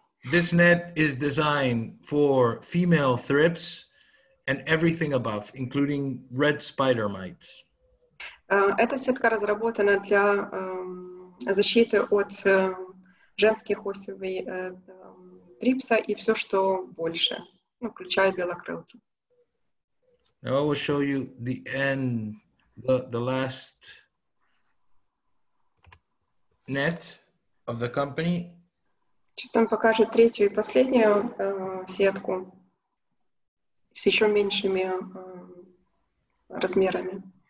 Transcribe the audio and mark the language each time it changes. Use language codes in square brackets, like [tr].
[en] This net is designed for female thrips and everything above, including red spider mites. [ru] Эта сетка разработана для защиты от женских осевой трипса и все, что больше, включая белокрылки. [en] Now I will show you the end, the last net of the company. [ru] Сейчас он покажет третью и последнюю сетку с еще меньшими размерами.